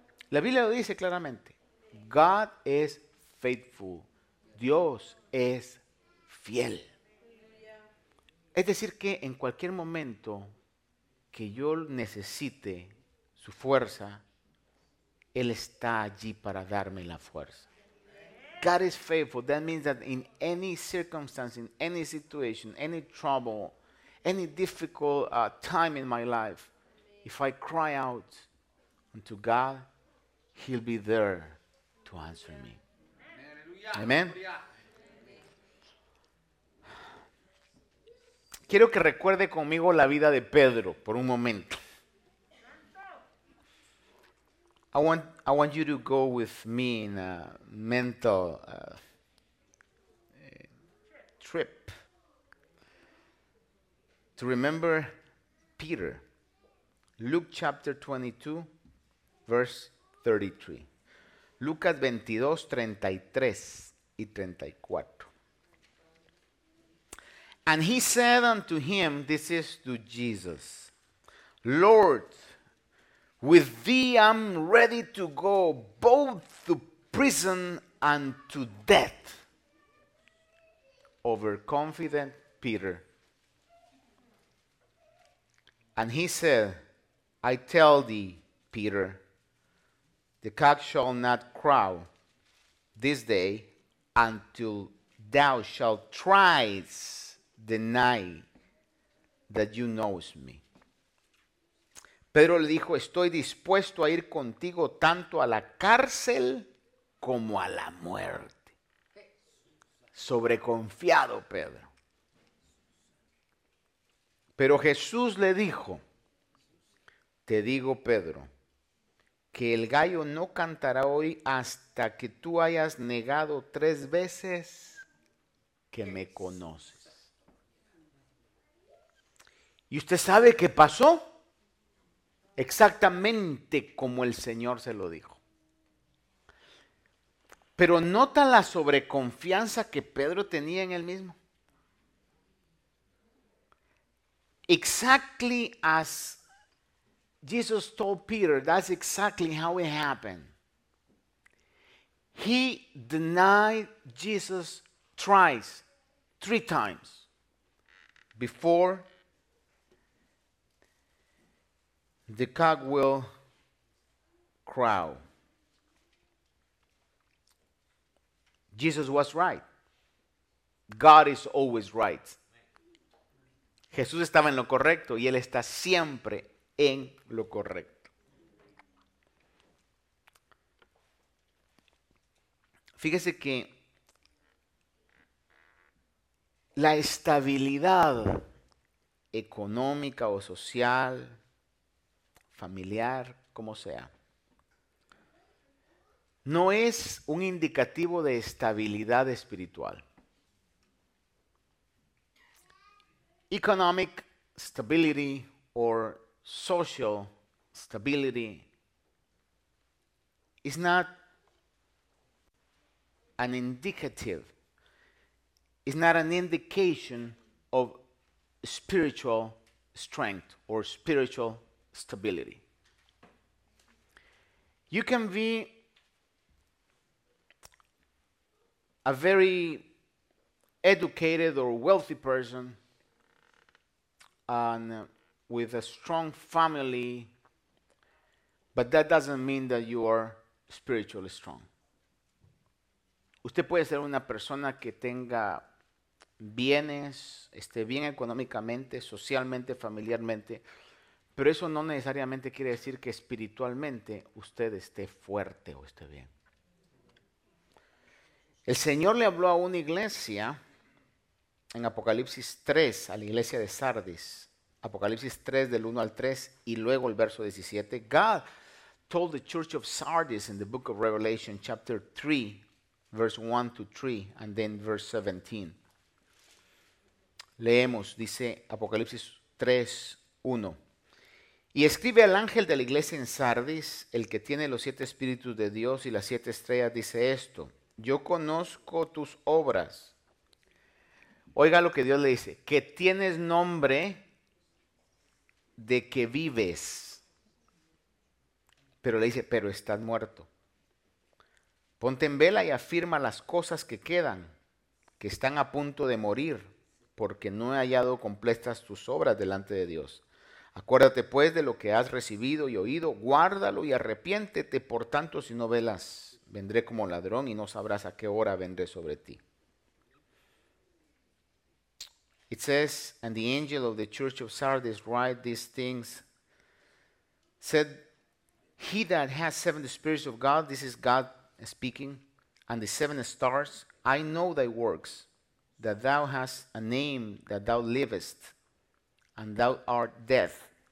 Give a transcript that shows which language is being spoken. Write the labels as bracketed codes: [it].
[es] La Biblia lo dice claramente. [en] God is faithful. [es] Dios es fiel. Es decir que en cualquier momento que yo necesite su fuerza, Él está allí para darme la fuerza. [en] God is faithful. That means that in any circumstance, in any situation, any trouble, any difficult time in my life, if I cry out unto God, He'll be there to answer me. Amen. [es] Quiero que recuerde conmigo la vida de Pedro por un momento. [en] I want you to go with me in a mental trip to remember Peter. Luke chapter 22, verse 33. [es] Lucas 22, 33 y 34. [en] And he said unto him, this is to Jesus, Lord, with thee I'm ready to go both to prison and to death. Overconfident Peter. And he said, I tell thee, Peter, the cock shall not crow this day until thou shalt thrice deny that you knowest me. [es] Pedro le dijo, estoy dispuesto a ir contigo tanto a la cárcel como a la muerte. Sobreconfiado, Pedro. Pero Jesús le dijo, te digo, Pedro, que el gallo no cantará hoy hasta que tú hayas negado tres veces que me conoces. ¿Y usted sabe qué pasó? Exactamente como el Señor se lo dijo. Pero nota la sobreconfianza que Pedro tenía en él mismo. [en] Exactly as Jesus told Peter, that's exactly how it happened. He denied Jesus thrice, three times, before the cock will crow. Jesus was right. God is always right. [es] Jesús estaba en lo correcto y Él está siempre en lo correcto. Fíjese que la estabilidad económica o social, familiar, como sea, no es un indicativo de estabilidad espiritual. [en] Economic stability or social stability is not an indicative, is not an indication of spiritual strength or spiritual stability. You can be a very educated or wealthy person and with a strong family, but that doesn't mean that you are spiritually strong. [es] Usted puede ser una persona que tenga bienes, esté bien económicamente, socialmente, familiarmente, pero eso no necesariamente quiere decir que espiritualmente usted esté fuerte o esté bien. El Señor le habló a una iglesia en Apocalipsis 3, a la iglesia de Sardis. Apocalipsis 3, del 1 al 3, y luego el verso 17. [en] God told the church of Sardis in the book of Revelation, chapter 3, verse 1 to 3, and then verse 17. [es] Leemos, dice Apocalipsis 3, 1. Y escribe al ángel de la iglesia en Sardis, el que tiene los siete espíritus de Dios y las siete estrellas, dice esto. Yo conozco tus obras. Oiga lo que Dios le dice, que tienes nombre de que vives. Pero le dice, pero estás muerto. Ponte en vela y afirma las cosas que quedan, que están a punto de morir, porque no he hallado completas tus obras delante de Dios. Acuérdate pues de lo que has recibido y oído, guárdalo y arrepiéntete, por tanto si no velas, vendré como ladrón y no sabrás a qué hora vendré sobre ti. [en] It says, and the angel of the church of Sardis write these things, said, he that has seven spirits of God, this is God speaking, and the seven stars, I know thy works, that thou hast a name, that thou livest, and thou art death.